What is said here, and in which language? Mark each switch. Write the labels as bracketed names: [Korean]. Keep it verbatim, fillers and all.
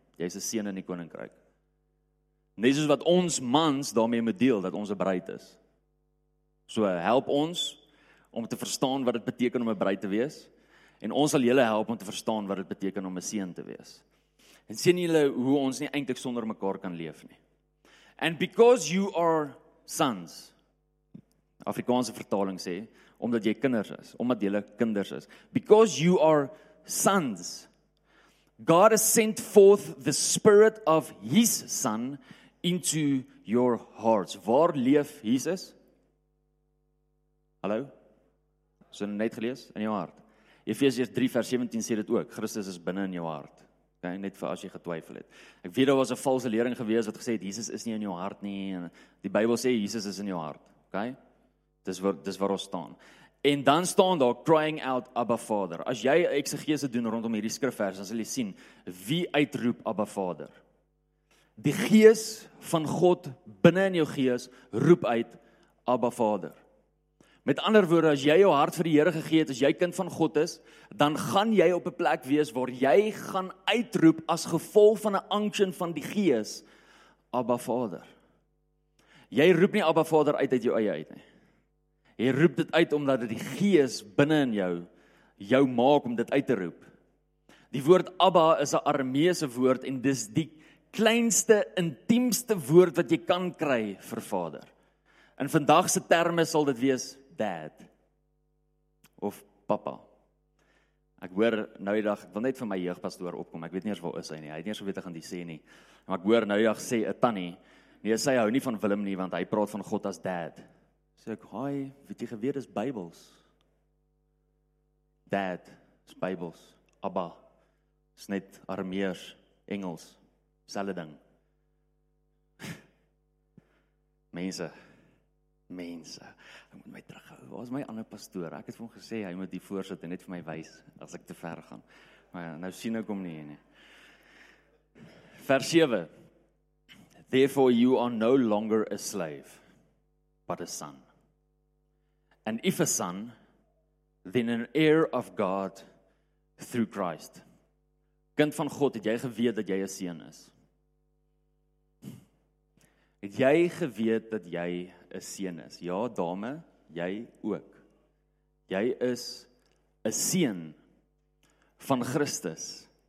[Afrikaans] Jy's 'n seun in die koninkryk. Net soos wat ons mans daarmee moet deel dat ons 'n bruid is. So help ons om te verstaan wat dit beteken om 'n bruid te wees. En ons sal julle help om te verstaan wat dit beteken om 'n seun te wees. En sien julle hoe ons nie eintlik sonder mekaar kan leef nie. [English] And because you are sons. [Afrikaans] Afrikaanse vertaling sê omdat jy kinders is, omdat julle kinders is. [English] Because you are sons. God has sent forth the spirit of his son into your hearts. [Afrikaans] Waar leef Jesus? Hallo? Is dit net gelees in jou hart? Efesiërs drie vers sewentien sê dit ook. Christus is binne in jou hart. Okay, net vir as jy getwyfel het. Ek weet daar was 'n valse lering gewees wat gesê het Jesus is nie in jou hart nie en die Bybel sê Jesus is in jou hart. Okay? Dis waar dis waar ons staan. En dan staan daar [English] crying out [Afrikaans] Abba Vader. As jy eksegese doen rondom hierdie skrifverse, dan sal jy sien wie uitroep Abba Vader. Die gees van God binne in jou gees roep uit Abba Vader. Met ander woorde, as jy jou hart vir die Here gegee het, as jy kind van God is, dan gaan jy op 'n plek wees waar jy gaan uitroep as gevolg van 'n unction van die Gees, Abba Vader. Jy roep nie Abba Vader uit uit jou eie uit nie. Jy roep dit uit omdat dit die Gees binne in jou jou maak om dit uit te roep. Die woord Abba is 'n Arameese woord en dis die kleinste, intiemste woord wat jy kan kry vir Vader. In vandag se terme sal dit wees Dad of Papa. Ek hoor nou die dag, ek wil net vir my jeugpastoor opkom, ek weet nie eens waar is hy nie, hy het nie eens geweet ek gaan dit sê nie, maar ek hoor nou die dag sê 'n tannie, nee sy hou nie van Willem nie, want hy praat van God as Dad. Sê ek, hi, weet jy geweet is Bybels? Dad, is Bybels, Abba, is net Arameers, Engels, selfde ding. Mense, Mense, ek moet my terughou. Waar is my ander pastoor? Ek het vir hom gesê, hy moet die voorsit en net vir my wys, as ek te ver gaan. Maar nou sien ek hom nie nie. Vers sewe. [English] Therefore you are no longer a slave, but a son. And if a son, then an heir of God through Christ. [Afrikaans] Kind van God, het jy geweet dat jy 'n seun is? Het jy geweet dat jy 'n seun is? Ja, dame, jy ook. Jy is 'n seun van Christus.